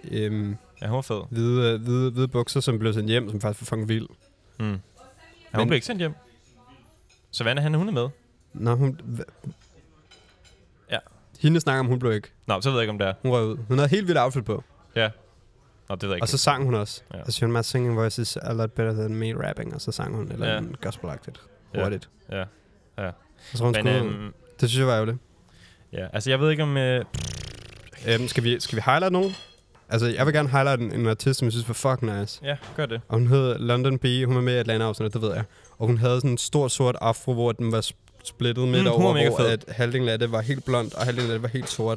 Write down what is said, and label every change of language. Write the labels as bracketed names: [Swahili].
[Danish] hun var fed. Hvide bukser, som blev sendt hjem, som faktisk var fucking vild. Ja, hun blev ikke sendt hjem. Savannah Hanner, hun er med. Nå, hun... Hende snakker om, hun blev ikke. Nej, så ved jeg ikke, om det er. Hun røg ud. Hun havde helt vildt outfit på. Ja. Nå, det ved jeg ikke. Og så sang hun også. Ja. [English] Altså, my singing voice is a lot better than me rapping. [Danish] Og så sang hun, eller en gospel-agtigt. Hurtigt. Ja. Ja. Og så hun skulle... Det synes jeg var ærgerligt. Ja, altså, jeg ved ikke, om... Skal vi highlight nogen? Altså, jeg vil gerne highlight en artist, som jeg synes var fucking nice. Ja, gør det. Og hun hed London B. Hun var med i Atlanta-afsnit, det ved jeg. Og hun havde sådan en stor sort afro, hvor den var splittet midt over, hvor at halvdelen af det var helt blond, og halvdelen af det var helt sort.